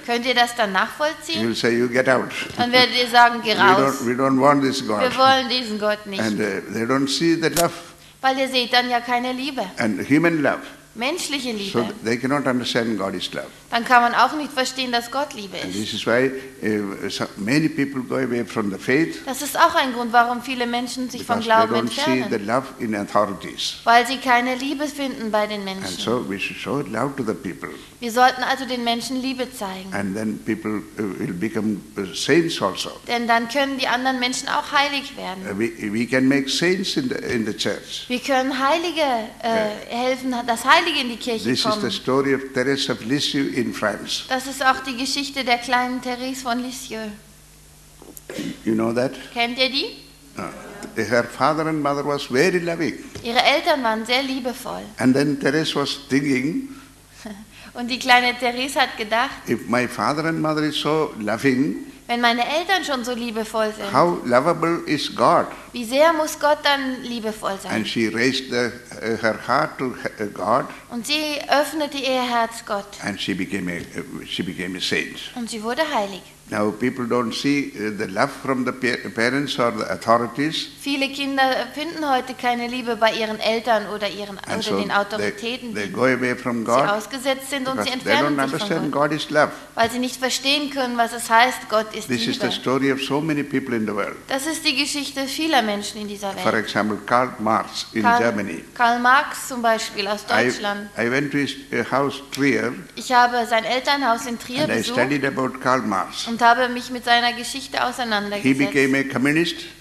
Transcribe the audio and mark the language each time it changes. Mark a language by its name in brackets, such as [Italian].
[German] Könnt ihr das dann nachvollziehen? [English] You'll say, you get out. [German] Dann werdet ihr sagen, geh raus. [English] We don't want this God. [German] Wir wollen diesen Gott nicht. [English] And, they don't see the love. [German] Weil ihr seht dann ja keine Liebe. [English] And human love. [German] Menschliche Liebe. [English] So they cannot understand God is love. [German] Dann kann man auch nicht verstehen, dass Gott Liebe ist. [English] And this is why many people go away from the faith. [German] Das ist auch ein Grund, warum viele Menschen sich vom Glauben entfernen. [English] Because they don't see the love in authorities. [German] Weil sie keine Liebe finden bei den Menschen. [English] And so we should show love to the people. [German] Wir sollten also den Menschen Liebe zeigen. [English] And then people will become saints also. [German] Denn dann können die anderen Menschen auch heilig werden. [English] We can make saints in the church. [German] Wir können Heilige helfen, dass Heilige in die Kirche kommen. [English] This is the story of Thérèse of Lisieux in France. [German] Das ist auch die Geschichte der kleinen Thérèse von Lisieux. [English] You know that? [German] Kennt ihr die? [English] Her father and mother was very loving. [German] Ihre Eltern waren sehr liebevoll. [English] And then Thérèse was thinking. [German] Und die kleine Thérèse hat gedacht. [English] If my father and mother is so loving. [German] Wenn meine Eltern schon so liebevoll sind. [English] How lovable is God? [German] Wie sehr muss Gott dann liebevoll sein? [English] And she raised her heart to God. [German] Und sie öffnete ihr Herz Gott. [English] And she became a saint. [German] Und sie wurde heilig. [English] Now people don't see the love from the parents or the authorities. [German] Viele Kinder finden heute keine Liebe bei ihren Eltern oder ihren den Autoritäten. [English] They go away from God. [German] Sie ausgesetzt sind und sie entfernen sich von Gott. [English] They don't understand God is love. [German] Weil sie nicht verstehen können, was es heißt, Gott ist [English] Liebe. This is the story of so many people in the world. [German] Das ist die Geschichte vieler Menschen in dieser Welt. [English] For example, Karl Marx in Germany. [German] Karl Marx zum Beispiel aus Deutschland. [English] I went to his house Trier. [German] Ich habe sein Elternhaus in Trier besucht. [English] And I studied about Karl Marx. [German] Und habe mich mit seiner Geschichte auseinandergesetzt. [English] He became a communist.